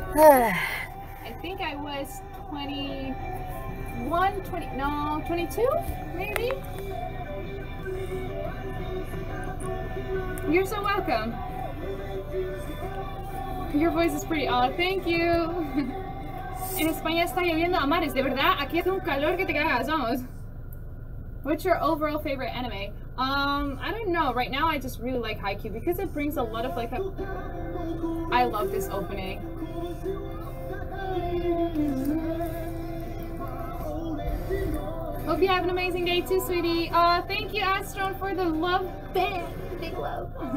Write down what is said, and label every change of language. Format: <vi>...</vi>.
<en>I think I was 22, maybe? You're so welcome. Your voice is pretty odd. Thank you.</en> <es>En España está lloviendo a mares, de verdad. Aquí hace un calor que te cagas, vamos.</es> <en>What's your overall favorite anime? I don't know. Right now, I just really like Haikyuu because it brings a lot of like a... I love this opening. Hope you have an amazing day too, sweetie. Thank you, Astron, for the love. Bam! Big love.</en>